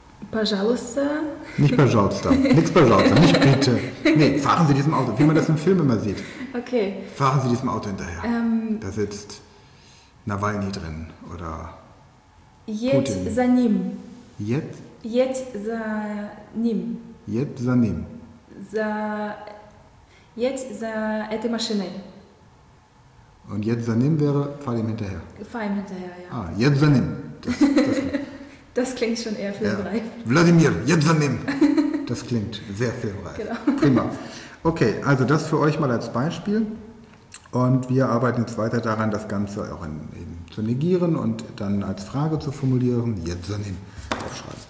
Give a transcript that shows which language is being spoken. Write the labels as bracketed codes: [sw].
[ru] Пожалуйста. [de] Nicht [ru] пожалуйста. [de] Nichts пожалуйста. Nicht bitte. Nee, fahren Sie diesem Auto, wie man das im Film immer sieht. Okay. Fahren Sie diesem Auto hinterher. Da sitzt Nawalny drin oder jetzt Putin. [ru] За ним. [de] Jetzt? Jetzt [ru] за ним. [de] Jetzt [ru] за ним. За [de] jetzt [ru] за этой машиной. [de] Und jetzt [ru] за ним [de] wäre, fahr ihm hinterher. Fahr ihm hinterher, ja. Ah, jetzt [ru] за ним. [de] Das klingt schon eher filmreif. Ja. Wladimir, jetzt annehmen. Das klingt sehr filmreif. Genau. Prima. Okay, also das für euch mal als Beispiel. Und wir arbeiten jetzt weiter daran, das Ganze auch eben zu negieren und dann als Frage zu formulieren. Jetzt annehmen. Aufschreiben.